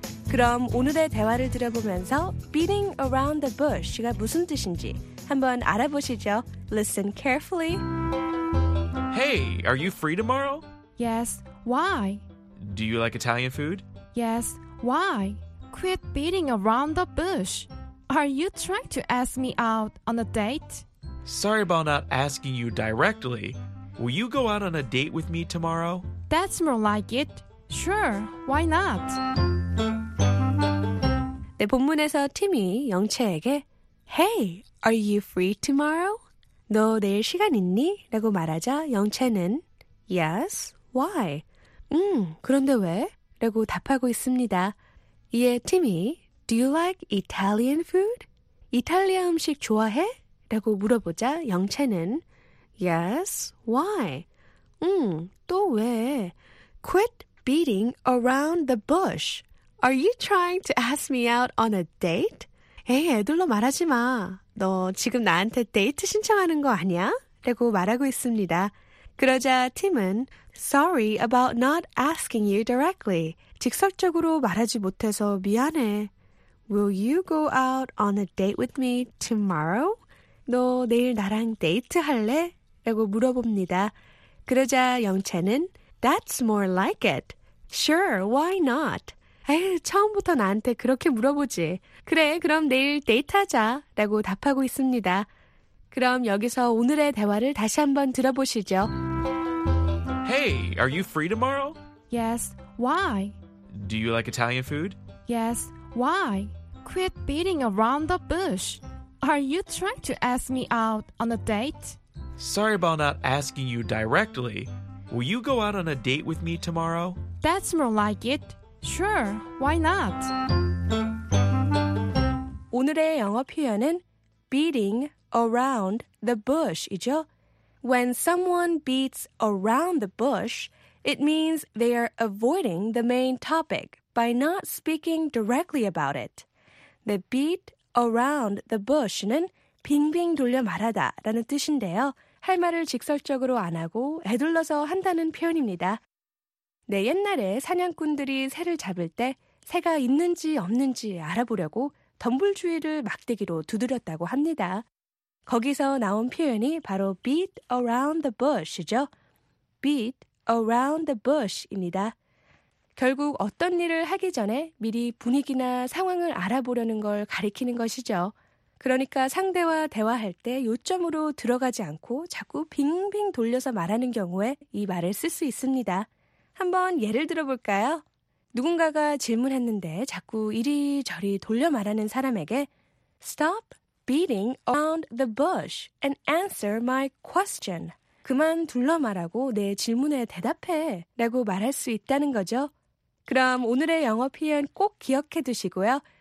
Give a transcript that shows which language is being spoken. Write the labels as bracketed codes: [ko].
[ko] 그럼 오늘의 대화를 들어보면서 [en] beating around the bush [ko] 가 무슨 뜻인지 한번 알아보시죠. [en] Listen carefully. Hey, are you free tomorrow? Yes, why? Do you like Italian food? Yes, why? Quit beating around the bush. Are you trying to ask me out on a date? Sorry about not asking you directly. Will you go out on a date with me tomorrow? That's more like it. Sure, why not? [ko] 네, 본문에서 팀이 영채에게 [en] Hey, are you free tomorrow? [ko] 너 내일 시간 있니? 라고 말하자 영채는 Yes, Why? 그런데 왜? 라고 답하고 있습니다. 이에 팀이 [en] Do you like Italian food? [ko] 이탈리아 음식 좋아해? 라고 물어보자 영채는 [en] Yes, why? [ko] 또 왜? [en] Quit beating around the bush. Are you trying to ask me out on a date? [ko] 에이, 애들로 말하지 마. 너 지금 나한테 데이트 신청하는 거 아니야? 라고 말하고 있습니다. 그러자 팀은 [en] Sorry about not asking you directly. [ko] 직설적으로 말하지 못해서 미안해. [en] Will you go out on a date with me tomorrow? [ko] 너 내일 나랑 데이트 할래? 라고 물어봅니다. 그러자 영채는 [en] That's more like it. Sure, why not? [ko] 에휴, 처음부터 나한테 그렇게 물어보지. 그래, 그럼 내일 데이트하자. 라고 답하고 있습니다. 그럼 여기서 오늘의 대화를 다시 한번 들어보시죠. [en] Hey, are you free tomorrow? Yes, why? Do you like Italian food? Yes, why? Quit beating around the bush. Are you trying to ask me out on a date? Sorry about not asking you directly. Will you go out on a date with me tomorrow? That's more like it. Sure, why not? [ko] 오늘의 영어 표현은 [en] beating around the bush [ko] 이죠. [en] When someone beats around the bush, it means they are avoiding the main topic by not speaking directly about it. The beat around the bush [ko] 는 빙빙 돌려 말하다 라는 뜻인데요. 할 말을 직설적으로 안 하고 애둘러서 한다는 표현입니다. 네, 옛날에 사냥꾼들이 새를 잡을 때 새가 있는지 없는지 알아보려고 덤불주의를 막대기로 두드렸다고 합니다. 거기서 나온 표현이 바로 [en] beat around the bush [ko] 이죠. [en] Beat around the bush입니다. [ko] 결국 어떤 일을 하기 전에 미리 분위기나 상황을 알아보려는 걸 가리키는 것이죠. 그러니까 상대와 대화할 때 요점으로 들어가지 않고 자꾸 빙빙 돌려서 말하는 경우에 이 말을 쓸 수 있습니다. 한번 예를 들어볼까요? 누군가가 질문했는데 자꾸 이리저리 돌려 말하는 사람에게 [en] Stop beating around the bush and answer my question. [ko] 그만 둘러 말하고 내 질문에 대답해 라고 말할 수 있다는 거죠. 그럼 오늘의 영어 표현 꼭 기억해 두시고요.